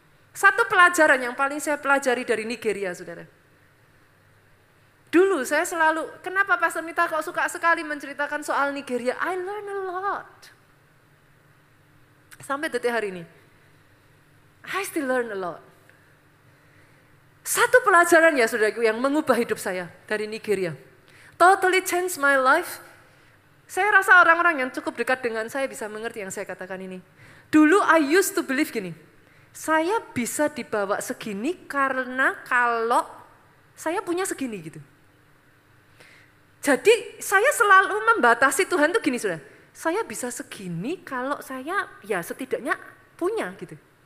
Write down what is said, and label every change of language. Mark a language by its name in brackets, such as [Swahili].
[Indonesian] Satu pelajaran yang paling saya pelajari dari Nigeria, saudara. Dulu saya selalu, kenapa Pastor Mita kok suka sekali menceritakan soal Nigeria? [English] I learn a lot. [Indonesian] Sampai detik hari ini. [English] I still learn a lot. [Indonesian] Satu pelajaran ya, saudaraku, yang mengubah hidup saya dari Nigeria. [English] Totally changed my life. [Indonesian] Saya rasa orang-orang yang cukup dekat dengan saya bisa mengerti yang saya katakan ini. Dulu [English] I used to believe [Indonesian] gini. Saya bisa dibawa segini karena kalau saya punya segini gitu. Jadi saya selalu membatasi Tuhan tuh gini sudah. Saya bisa segini kalau saya ya setidaknya punya gitu.